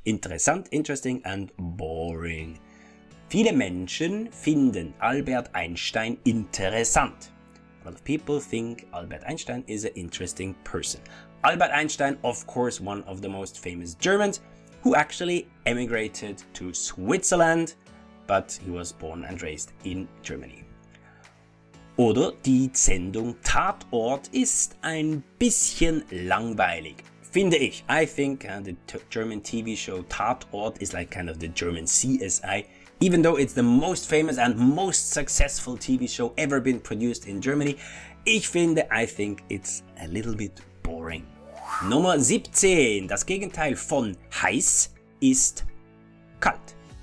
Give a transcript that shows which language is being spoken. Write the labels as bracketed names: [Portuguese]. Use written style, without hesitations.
[German] Interessant, [English] interesting and boring. [German] Viele Menschen finden Albert Einstein interessant. [English] A lot of people think Albert Einstein is an interesting person. Albert Einstein, of course, one of the most famous Germans who actually emigrated to Switzerland, but he was born and raised in Germany. [German] Oder die Sendung Tatort ist ein bisschen langweilig, finde ich. [English] I think the German TV show Tatort is like kind of the German CSI. Even though it's the most famous and most successful TV show ever been produced in Germany, I think it's a little bit boring. [German] Nummer 17. Das Gegenteil von heiß ist kalt.